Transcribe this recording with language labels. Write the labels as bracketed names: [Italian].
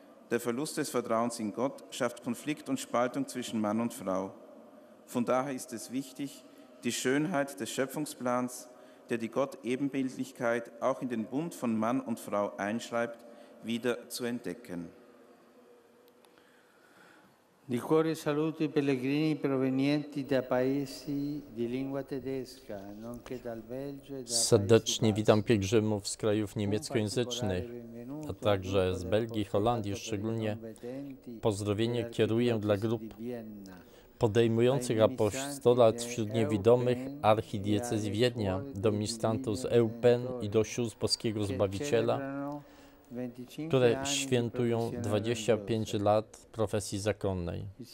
[German] Der Verlust des Vertrauens in Gott schafft Konflikt und Spaltung zwischen Mann und Frau. Von daher ist es wichtig, die Schönheit des Schöpfungsplans, der die Gott-Ebenbildlichkeit auch in den Bund von Mann und Frau einschreibt, wieder zu entdecken. [Italian] Di cuore saluto i pellegrini provenienti da paesi di lingua tedesca, nonché dal Belgio e da paesi. [Polish] Serdecznie witam pielgrzymów z krajów niemieckojęzycznych, a także z Belgii i Holandii. Szczególnie pozdrowienie kieruję dla grup podejmujących apostolat wśród niewidomych archidiecezji Wiednia, do ministrantów z Eupen i do sióstr Boskiego Zbawiciela, które świętują 25 lat profesji zakonnej.